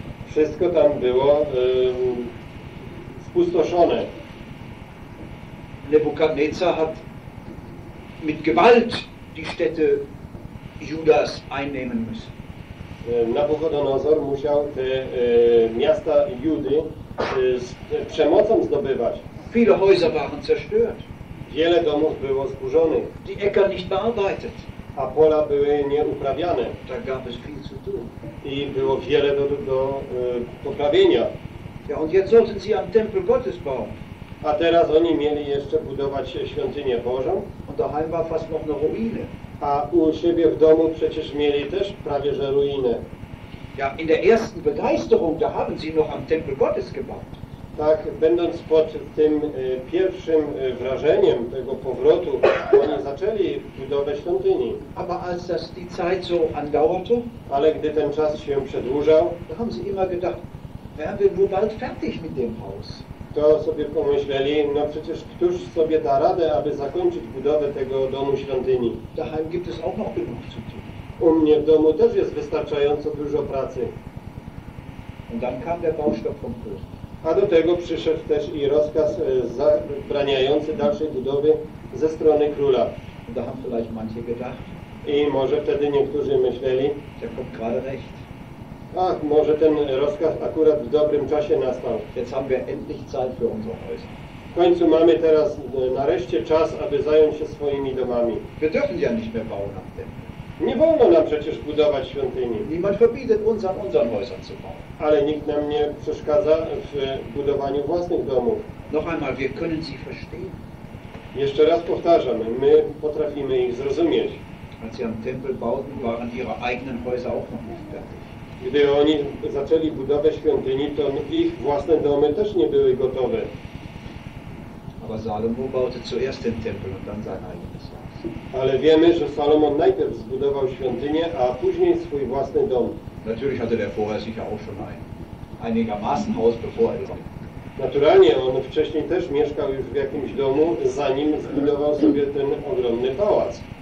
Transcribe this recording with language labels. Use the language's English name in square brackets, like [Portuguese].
[Polish] Wszystko tam było spustoszone. [German] Nebukadnezar hat mit Gewalt die Städte Judas einnehmen müssen. [Polish] Nabuchodonozor musiał te miasta Judy z przemocą zdobywać. [German] Viele Häuser waren zerstört. [Polish] Wiele domów było zburzonych. [German] Die Äcker nicht bearbeitet. [Polish] A pola były nieuprawiane. [German] Da gab es viel zu tun. [Polish] I było wiele do poprawienia. [German] Ja, und jetzt sollten sie am Tempel Gottes bauen. [Polish] A teraz oni mieli jeszcze budować świątynię Bożą. [German] Und daheim war fast noch eine Ruine. [Polish] A u siebie w domu przecież mieli też prawie że ruinę. [German] Ja, in der ersten Begeisterung, da haben sie noch am Tempel Gottes gebaut. [Polish] Tak, będąc pod tym pierwszym wrażeniem tego powrotu, oni zaczęli budowę świątyni. [German] Aber als das die Zeit so andauerte, [Polish] ale gdy ten czas się przedłużał, [German] da haben sie immer gedacht, werden wir nur bald fertig mit dem Haus. [Polish] To sobie pomyśleli, no przecież któż sobie da radę, aby zakończyć budowę tego domu świątyni. [German] Daheim gibt es auch noch genug zu tun. [Polish] U mnie w domu też jest wystarczająco dużo pracy. [German] Und dann kam der Baustopp vom König. [Polish] A do tego przyszedł też i rozkaz zabraniający dalszej budowy ze strony króla. [German] Da haben vielleicht manche gedacht. [Polish] I może wtedy niektórzy myśleli, [German] der kommt gerade recht. [Polish] A może ten rozkaz akurat w dobrym czasie nastał. [German] Jetzt haben wir endlich Zeit für unsere Häuser. [Polish] końcu mamy teraz nareszcie czas, aby zająć się swoimi domami. [German] Wir dürfen ja nicht mehr bauen nach dem. [Polish] Nie wolno nam przecież budować świątyni. [German] Niemand verbietet uns an unseren Häusern zu bauen. [Polish] Ale nikt nam nie przeszkadza w budowaniu własnych domów. [German] Noch einmal, wir können sie verstehen. [Polish] Jeszcze raz powtarzam, my potrafimy ich zrozumieć. [German] Als sie am Tempel bauten, waren ihre eigenen Häuser auch noch nicht fertig. [Polish] Gdy oni zaczęli budowę świątyni, to ich własne domy też nie były gotowe. [German] Aber Salomo baute zuerst den Tempel und dann sein eigenes Haus. [Polish] Ale wiemy, że Salomon najpierw zbudował świątynię, a później swój własny dom. [German] Natürlich hatte der vorher sicher auch schon einigermaßen Haus, bevor er [Polish] zbudował. Naturalnie, on wcześniej też mieszkał już w jakimś domu, zanim zbudował sobie ten ogromny pałac.